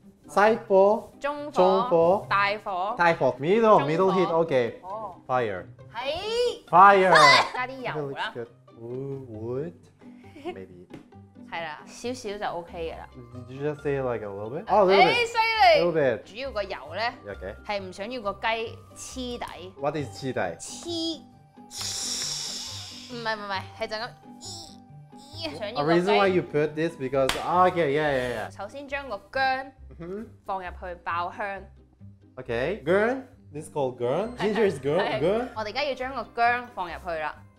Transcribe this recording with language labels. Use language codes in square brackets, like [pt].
[yue] 細火。中火。中火。大火。大火。 [en] Middle heat。 Okay。 Fire。 [yue] 係。 [en] Fire。 [yue] 加啲油啦。 [en] Wood。 Maybe。 [yue] 係啦，少少就 OK 嘅啦。 [en] Did you just say like a little bit? Oh, a little bit. [yue] 犀利。 [en] A little bit. [yue] 主要個油咧，係唔想要個雞黐底。 [en] What is 黐底？ [yue] 黐。唔係，係就咁。想要。 [en] A reason why you put this because okay, yeah. [yue] 首先將個薑放入去爆香。 [en] Okay, 薑 ，this called 薑 ，ginger is 薑。 [yue] 我哋而家要將個薑放入去啦。